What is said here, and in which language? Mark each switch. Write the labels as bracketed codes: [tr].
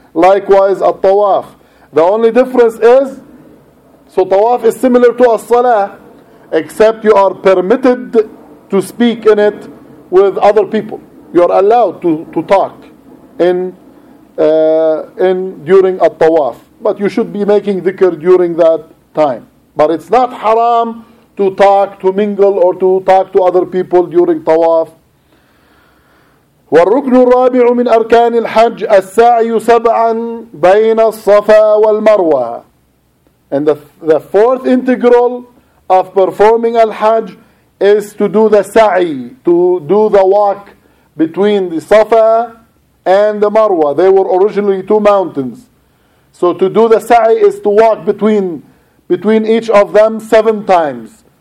[en] Likewise, at-tawaf. The only difference is, so tawaf is similar to as-salah, except you are permitted to speak in it with other people. You are allowed to talk in during at-tawaf. But you should be making dhikr during that time. But it's not haram to talk, to mingle, or to talk to other people during tawaf. [ar] والركن الرابع من أركان الحج السعي سبعا بين الصفا والمروة. [en] And the fourth integral of performing al-hajj is to do the sa'i, to do the walk between the Safa and the Marwa. They were originally two mountains. So to do the sa'i is to walk between each of them 7 times.